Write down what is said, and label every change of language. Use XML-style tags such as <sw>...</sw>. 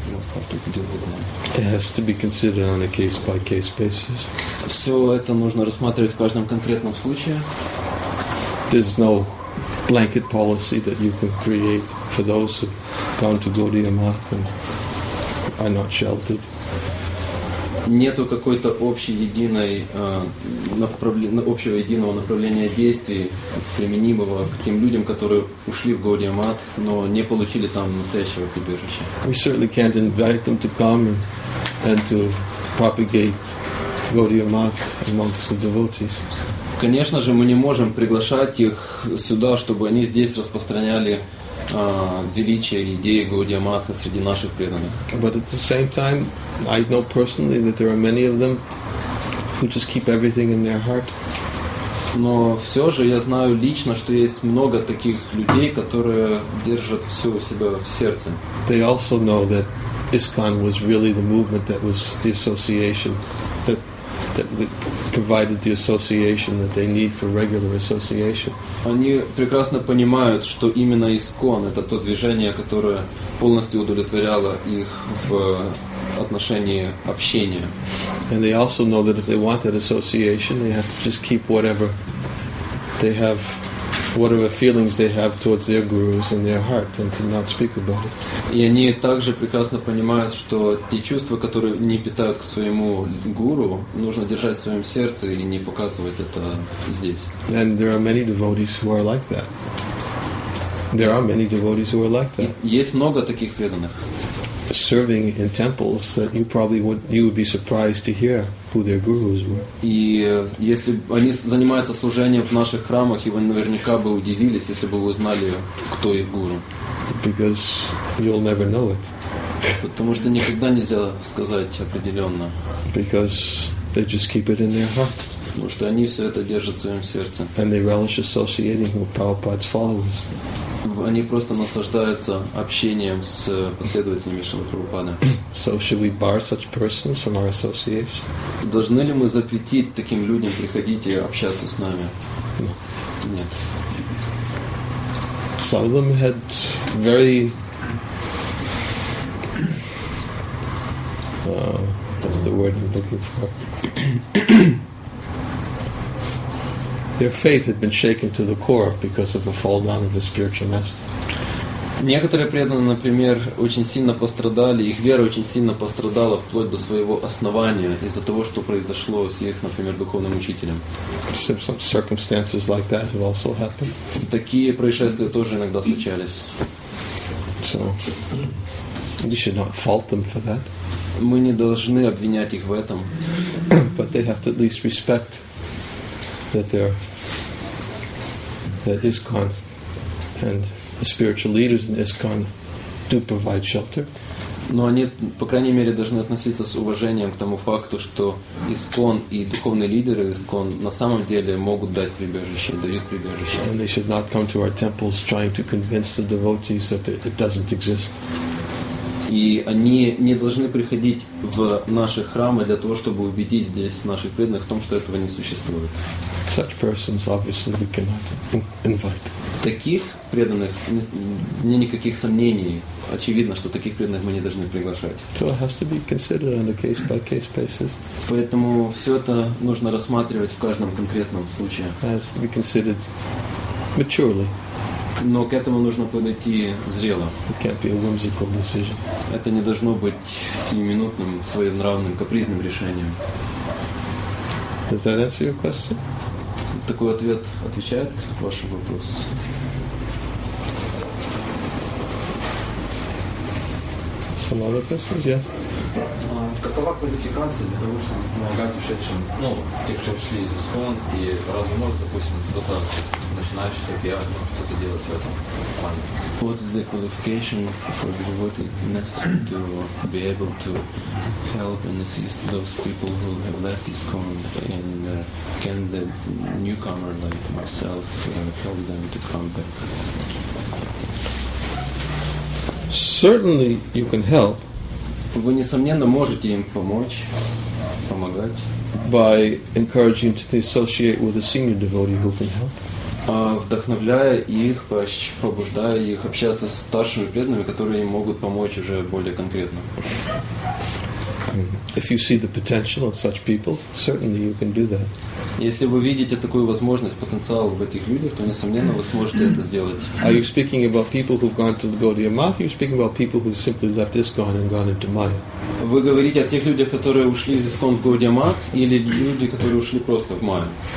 <en>You know, how to deal with them? It has to be considered on a case-by-case basis.</en> <ru>Все это нужно рассматривать в каждом конкретном случае.</ru> <en>There's no blanket policy that you could create for those who have gone to Gaudiya Math and are not sheltered.</en> <ru>Нету какой-то общей единой общего единого направления действий, применимого к тем людям, которые ушли в Gaudiya Math, но не получили там настоящего прибежища.</ru> <en>We certainly can't invite them to come and to propagate Gaudiya Math amongst the devotees.</en> <ru>Конечно же, мы не можем приглашать их сюда, чтобы они здесь распространяли величие идеи Гаудия Матха среди наших преданных.</ru> <en>But at the same time, I know personally that there are many of them who just keep everything in their heart.</en> <ru>Но все же я знаю лично, что есть много таких людей, которые держат все у себя в сердце.</ru> <en>They also know that ISKCON was really the movement that was the association that provided the association that they need for regular association.</en> <ru>Они прекрасно понимают, что именно ИСККОН — это то движение, которое полностью удовлетворяло их в отношении общения.</ru> <en>And they also know that if they want that association, they have to just keep whatever they have, whatever feelings they have towards their gurus in their heart, and to not speak about it.</en> <ru>И они также прекрасно понимают, что те чувства, которые не питают к своему гуру, нужно держать в своем сердце и не показывать это здесь.</ru> <en>And there are many devotees who are like that. There are many devotees who are like that.</en> <ru>Есть много таких преданных.</ru> <en>Serving in temples that you would be surprised to hear who their gurus were.</en> <ru>И если они занимаются служением в наших храмах, вы наверняка бы удивились, если бы вы узнали, кто их гуру.</ru> <en>Because you'll never know it.</en> <ru>Потому что никогда нельзя сказать определенно.</ru> <en>Because they just keep it in their heart.</en> <ru>Потому что они все это держат в своем сердце.</ru> <en>And they relish associating with Prabhupada's followers.</en> <ru>Они просто наслаждаются общением с последователями Шрилы Прабхупады.</ru> <en>So should we bar such persons from our association?</en> <ru>Должны ли мы запретить таким людям приходить и общаться с нами? Нет.</ru> <en>Some of them had very what's the word I'm looking for? Their faith had been shaken to the core because of the fall down of the spiritual master.</en> <ru>Некоторые преданные, например, очень сильно пострадали, их вера очень сильно пострадала вплоть до своего основания из-за того, что произошло с их, например, духовным учителем.</ru> <en>Some circumstances like that have also happened.</en> <ru>И такие происшествия тоже иногда случались.</ru> <en>So, we should not fault them for that.</en> <ru>Мы не должны обвинять их в этом.</ru> <en>But they have to at least respect that ISKCON and the spiritual leaders in ISKCON do provide shelter.</en> <ru>Но они, по крайней мере, должны относиться с уважением к тому факту, что ISKCON и духовные лидеры ISKCON на самом деле могут дать прибежище, дают прибежище.</ru> <en>And they should not come to our temples trying to convince the devotees that it doesn't exist.</en> <ru>И они не должны приходить в наши храмы для того, чтобы убедить здесь наших преданных в том, что этого не существует.</ru> <en>Such persons, obviously, we cannot invite.</en> <ru>Таких преданных, мне никаких сомнений, очевидно, что таких преданных мы не должны приглашать.</ru> <en>So it has to be considered on a case-by-case basis.</en> <ru>Поэтому все это нужно рассматривать в каждом конкретном случае.</ru> <en>It has to be considered maturely.</en> <ru>Но к этому нужно подойти зрело.</ru> <en>It can't be a whimsical decision.</en> <ru>Это не должно быть сиюминутным, своенравным, капризным решением.</ru> <en>Does that answer your question?</en> <ru>Такой ответ отвечает ваш вопрос.</ru> <en>Some other questions, yes. Yeah.</en> <ru>Какова квалификация для того, чтобы помогать ушедшим, ну, тех, кто ушли из ИСКОН, и разве может, допустим, кто-то начинающий, как я, что-то делать в этом плане?</ru> <en>What is the qualification for the devotee necessary to be able to help and assist those people who have left ISKCON, and can the newcomer like myself help them to come back? Certainly you can help.</en> <ru>Вы, несомненно, можете им помочь, помогать.</ru> <en>By encouraging them to associate with a senior devotee who can help.</en> <ru>Вдохновляя их, побуждая их общаться с старшими преданными, которые им могут помочь уже более конкретно.</ru> <en>If you see the potential in such people, certainly you can do that.</en> <ru>Если вы видите такую возможность, потенциал в этих людях, то, несомненно, вы сможете это сделать.</ru> <en>Are you speaking about people who've gone to Gaudiya Math, or are you speaking about people who've simply left ISKCON and gone into Maya?</en> <ru>Вы говорите о тех людях, которые ушли из ИСКОН в Gaudiya Math, или люди, которые ушли просто в Maya?</ru>